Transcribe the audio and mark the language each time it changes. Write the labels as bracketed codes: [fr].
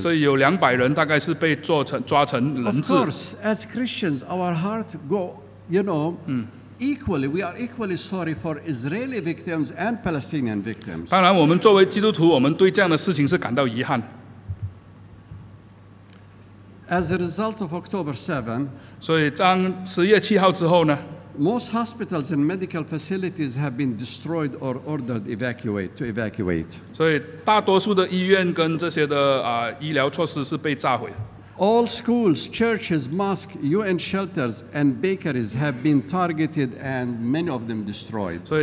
[zh] 所以有200人大概是被抓成人质。Of [en] course, as Christians, our heart go, you know. Equally, we are equally sorry for Israeli victims and Palestinian victims. [zh] 当然，我们作为基督徒，我们对这样的事情是感到遗憾。 [en] As a result of October 7, [zh] 所以当10月7号之后呢, [en] most hospitals and medical facilities have been destroyed or ordered to evacuate. [zh] 所以大多数的医院跟这些的医疗措施是被炸毁。 [en] All schools, churches, mosques, UN shelters, and bakeries have been targeted, and many of them destroyed.